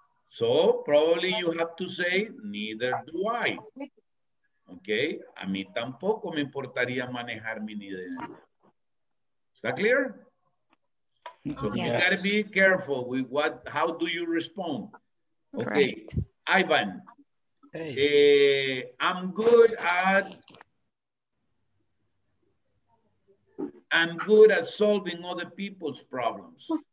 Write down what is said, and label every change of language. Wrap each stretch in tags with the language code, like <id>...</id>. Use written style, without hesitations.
<en>So probably you have to say neither do I.</en> <es>Okay, a mí tampoco me importaría manejar mi dinero.</es> <en>Is that clear? So yes. You gotta be careful with what, how do you respond? Okay, right. Ivan, hey. I'm good at I'm good at solving other people's problems.</en>